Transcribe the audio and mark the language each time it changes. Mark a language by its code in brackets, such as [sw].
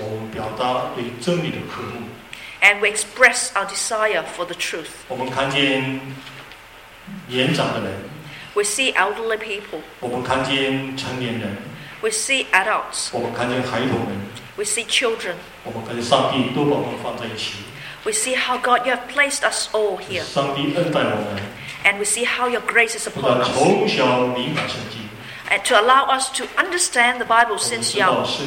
[zh] 我们表达对真理的渴慕。 [en] And we express our desire for the truth. [zh] 我们看见年长的人。 [en] We see elderly people. [zh] 我们看见成年人。 [en] We see adults. [zh] 我们看见孩童们。 [en] We see children. [zh] 我们看见上帝都把我们放在一起。 [en] We see how God, you have placed us all here. [zh] 上帝恩待我们。 [en] And we see how your grace is upon us. And to allow us to understand the Bible since young.